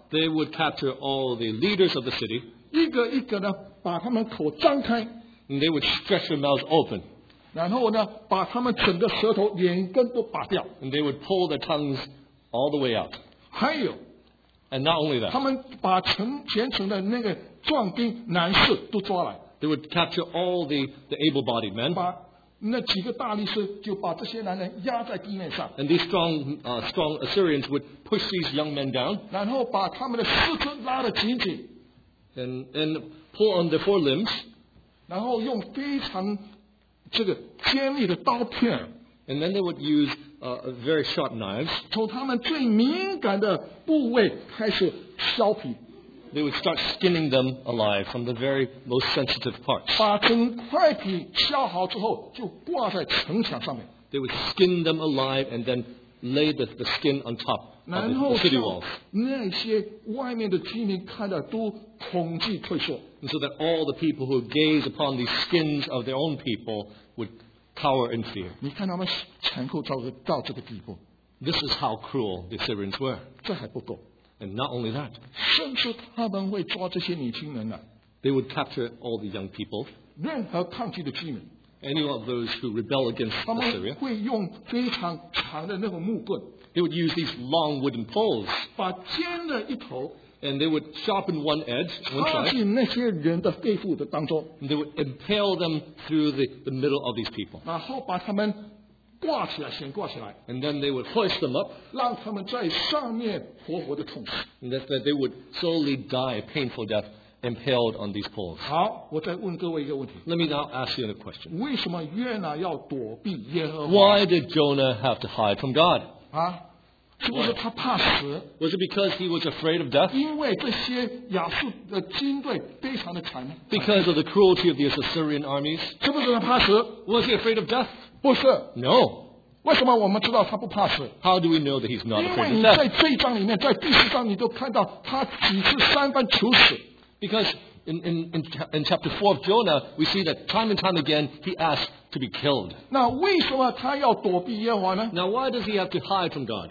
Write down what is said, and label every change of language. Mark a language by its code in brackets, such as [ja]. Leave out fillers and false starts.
[en] They would capture all the leaders of the city. [zh] 一个一个呢，把他们口张开。 [en] And they would stretch their mouths open. [zh] 然后呢，把他们整个舌头、眼根都拔掉。 [en] And they would pull their tongues all the way out. [zh] 还有 [en] ，and not only that， [zh] 他们把全城的那个壮丁男士都抓来。 [en] They would capture all the able-bodied men。 [zh] 把那几个大力士就把这些男人压在地面上。 [en] And these strong Assyrians would push these young men down。 [zh] 然后把他们的四肢拉得紧紧。 [en] And pull on their forelimbs。 [zh] 然后用非常这个尖利的刀片。 [en] And then they would use very sharp knives. [zh] 从他们最敏感的部位开始削皮。 [en] They would start skinning them alive from the very most sensitive parts. [zh] 把整块皮削好之后，就挂在城墙上面。 [en] They would skin them alive and then lay the skin on top of the city walls. [zh] 那些外面的居民看的都恐惧退缩。 [en] And so that all the people who gaze upon these skins of their own people would. Power and fear. [zh] 你看他们残酷到这个地步。 [en] This is how cruel the Syrians were. [zh] 这还不够。 [en] And not only that. [zh] 甚至他们会抓这些年轻人呢。 [en] They would capture all the young people. [zh] 任何抗拒的居民。 [en] Any of those who rebel against the Syria. [zh] 他们会用非常长的那个木棍。 [en] They would use these long wooden poles. [zh] 把尖的一头。 [en] And they would sharpen one edge, one side. [zh] 插进那些人的肺腑的当中。 [en] And they would impale them through the middle of these people. [zh] 然后把他们挂起来，先挂起来。 [en] And then they would hoist them up. [zh] 让他们在上面活活的痛死。 [en] And that they would slowly die a painful death impaled on these poles. [zh] 好，我再问各位一个问题。 [en] Let me now ask you another question. [zh] 为什么约拿要躲避耶和华？ [en] Why did Jonah have to hide from God? [zh] 啊，是不是他怕死? [en] Was it because he was afraid of death? [zh] 因为这些亚述的军队非常的惨。 [en] Because of the cruelty of the Assyrian armies? [zh] 是不是他怕死? [en] Was he afraid of death? [zh] 不是。 [en] No. [zh] 为什么我们知道他不怕死? [en] How do we know that he's not afraid of death? [zh] 因为你在这一章里面, 在第十章你都看到他几次三番求死。 [en] Because in chapter 4 of Jonah, we see that time and time again, he asks to be killed. Now, why does he have to hide from God?